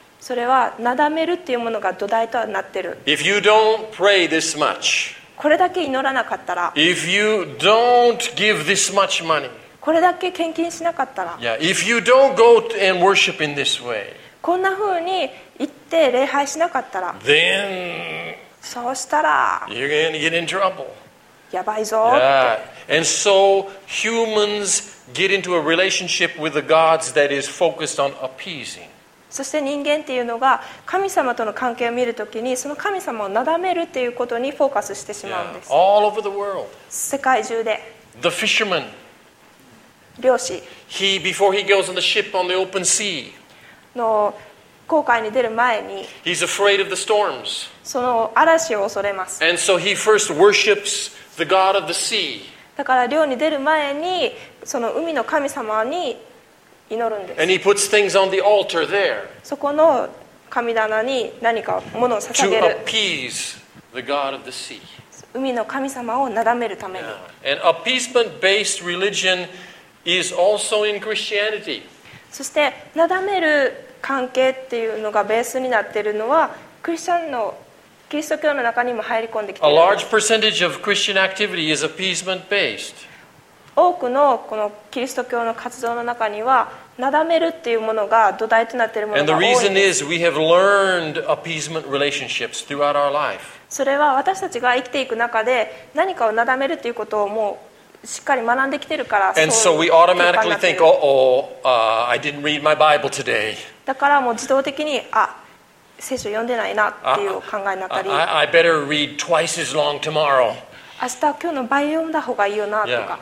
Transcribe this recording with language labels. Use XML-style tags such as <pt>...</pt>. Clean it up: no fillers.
<ja>それはなだめるっていうものが土台とはなってる。</ja> <en>If you don't pray this much。</en> <ja>これだけ祈らなかったら。</ja> <en>If you don't give this much money。</en> <ja>これだけ献金しなかったら。 Yeah.</ja> <en>If you don't go and worship in this way。</en> <ja>こんな風に行って礼拝しなかったら。</ja> <en>Then。</en> <ja>そうしたら。</ja> <en>You're going to get in trouble。</en> <ja>やばいぞ。 Yeah.</ja> <en>And so humans get into a relationship with the gods that is focused on appeasing.</en> <ja>そして人間っていうのが神様との関係を見るときに、その神様をなだめるっていうことにフォーカスしてしまうんです。</ja> <en>Yeah. All over the world.</en> <ja>世界中で。</ja> <en>The fisherman.</en> <ja>漁師。</ja> <en>He before he goes on the ship on the open sea.</en> <ja>の航海に出る前に。</ja> <en>He's afraid of the storms.</en> <ja>その嵐を恐れます。</ja> <en>And so he first worships. The God of the sea.</en> <ja>だから漁に出る前にその海の神様に祈るんです。</ja> <en>And he puts things on the altar there.</en> <ja>そこの神棚に何か物を捧げる。</ja> <en>To appease the God of the sea.</en> <ja>海の神様をなだめるために。 Yeah.</ja> <en>And appeasement based religion is also in Christianity.</en> <ja>そしてなだめる関係っていうのがベースになっているのはクリスチャンのキリスト教の中にも入り込んできている。</ja> <en>A large percentage of Christian activity is appeasement based.</en> <ja>多くのこのキリスト教の活動の中には、なだめるっていうものが土台となっているものが多いです。</ja> <en>And the reason is we have learned appeasement relationships throughout our life.</en> <ja>それは私たちが生きていく中で何かをなだめるっていうことをもうしっかり学んできているから、そういう</ja> <en>And so we automatically think, I didn't read my Bible today.</en> <ja>だからもう自動的に、あ、聖書読んでないなっていう考えになったり、</ja> <en>I better read twice as long tomorrow.</en> <ja>明日は今日の倍読んだ方がいいよなとか、</ja>